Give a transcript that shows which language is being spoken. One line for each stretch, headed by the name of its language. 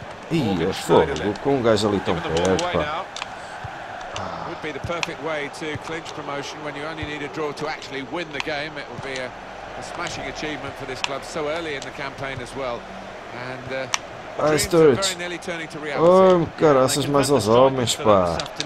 Portuguese: Ih, é fogo. Com um gajo ali tão perto, pá.
English: Would be the perfect way to clinch promotion when you only need a draw to actually win the game. It will be a smashing achievement for this club so early in the campaign as well. And dreams are very nearly turning to reality.
Portuguese: Oh, caraças, mais aos homens, pá.